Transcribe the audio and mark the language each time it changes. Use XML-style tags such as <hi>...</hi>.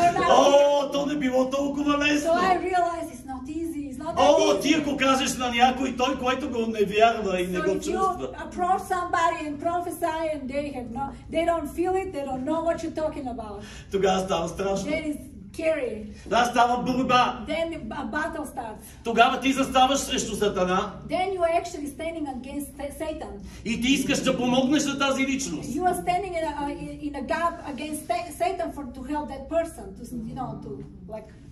<bg>О, то не било толкова лесно.</bg> <en>So I realized it's not easy. Not</en> <bg>О, ти ако кажеш на някой той, който го не вярва и</bg> <en>so</en> <bg>не го чувства.</bg> <en>So if you approach somebody and prophesy and they don't feel it, they don't know what you're talking about.</en> <bg>Тогава става страшно.</bg> <en>That is scary.</en> <bg>Да, става борба.</bg> <en>Then a battle starts.</en> <bg>Тогава ти заставаш срещу Сатана.</bg> <en>Then you are actually standing against Satan.</en> <bg>И ти искаш да помогнеш на тази личност.</bg> <en>You are standing in a gap against Satan for to help that person, to, you know, to like.</en>